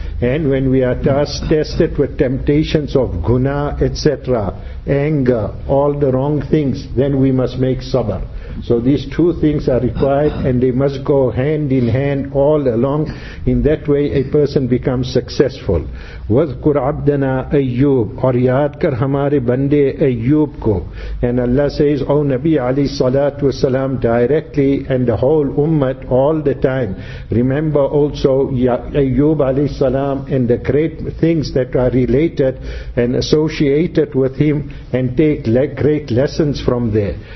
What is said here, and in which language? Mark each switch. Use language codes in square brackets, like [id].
[en] And when we are tested with temptations of guna, etc., anger, all the wrong things, then we must make sabr. So these two things are required, and they must go hand in hand all along. In that way a person becomes successful. [ar] وَذْكُرْ عَبْدَنَا أَيُّوبُ [ur] اور یاد کر ہمارے بندے ایوب کو. [en] And Allah says, O Nabi alayhi salatu wasalam, directly, and the whole ummah all the time, remember also Ayyub alayhi salam and the great things that are related and associated with him, and take great lessons from there.